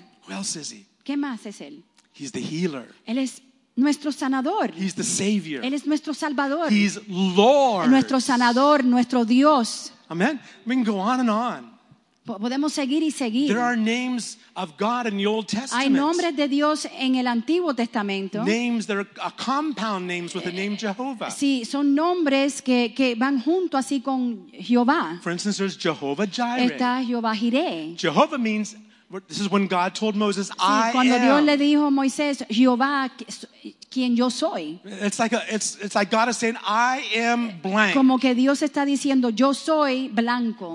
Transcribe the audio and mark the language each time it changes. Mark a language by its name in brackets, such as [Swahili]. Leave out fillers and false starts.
[English] Who else is he? [Spanish] ¿Qué más es él? [English] He's the Healer. [Spanish] Él es nuestro sanador. [English] He's the Savior. [Spanish] Él es nuestro Salvador. [English] He's Lord. [Spanish] Nuestro sanador, nuestro Dios. [English] Amen. We can go on and on. [Spanish] Podemos seguir y seguir. [English] There are names of God in the Old Testament. [Spanish] Hay nombres de Dios en el Antiguo Testamento. [English] Names that are a compound names with the name Jehovah. [Spanish] Sí, son nombres que van junto así con Jehová. [English] For instance, there's Jehovah Jireh. [Spanish] Está Jehová Jireh. [English] Jehovah means, this is when God told Moses, [Spanish] sí, cuando [English] I am. [Spanish] Dios le dijo a Moisés, Jehová, quien yo soy. [English] It's like God is saying, I am blank. [Spanish] Como que Dios está diciendo, yo soy blanco.